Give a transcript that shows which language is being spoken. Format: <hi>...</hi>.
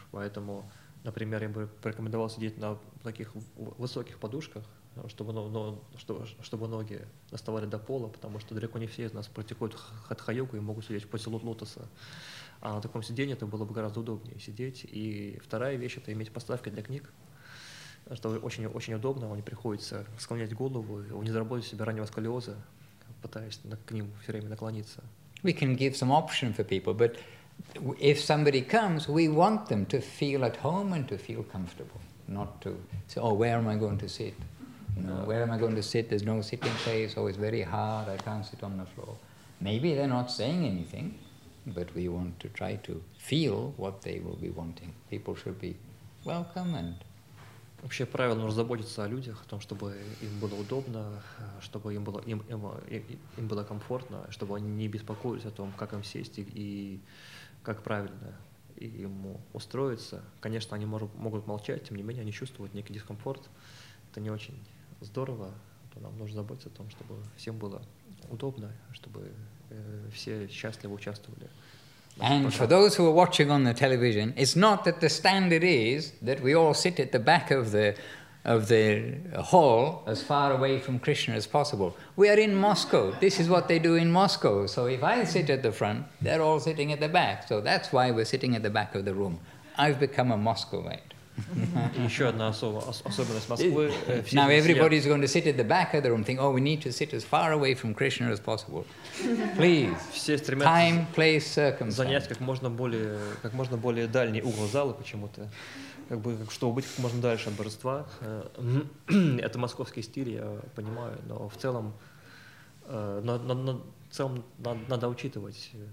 <ru>Поэтому, например, я бы порекомендовал сидеть на таких высоких подушках, чтобы ноги доставали до пола, потому что далеко не все из нас практикуют хатха-йогу и могут сидеть в позе лотоса. А на таком сидении это было бы гораздо удобнее сидеть. И вторая вещь – это иметь подставки для книг, что очень-очень удобно, не приходится склонять голову, не заработать себе раннего сколиоза, пытаясь к ним все время наклониться.</ru> <en>We can give some option for people, but if somebody comes, we want them to feel at home and to feel comfortable, not to say, oh, where am I going to sit? No, where am I going to sit? There's no sitting place, oh, it's very hard, I can't sit on the floor. Maybe they're not saying anything, but we want to try to feel what they will be wanting. People should be welcome and...</en> <ru>Вообще правильно заботиться о людях, о том, чтобы им было удобно, чтобы им было комфортно, чтобы они не беспокоились о том, как им сесть и как правильно им устроиться. Конечно, они могут молчать, тем не менее, они чувствуют некий дискомфорт. Это не очень здорово. Нам нужно заботиться о том, чтобы всем было удобно, чтобы все счастливо участвовали.</ru> <en>And for those who are watching on the television, it's not that the standard is that we all sit at the back of the hall as far away from Krishna as possible. We are in Moscow. This is what they do in Moscow. So if I sit at the front, they're all sitting at the back. So that's why we're sitting at the back of the room. I've become a Moscovite.</en> <ru>Еще одна особенность Москвы.</ru> <en>Now everybody's going to sit at the back of the room, think, oh, we need to sit as far away from Krishna as possible. Please. Time, place, circumstance.</en> <ru>Занять как можно более дальний угол зала почему-то, чтобы быть как можно дальше от божества. Это московский стиль, я понимаю, но в целом, надо учитывать.</ru>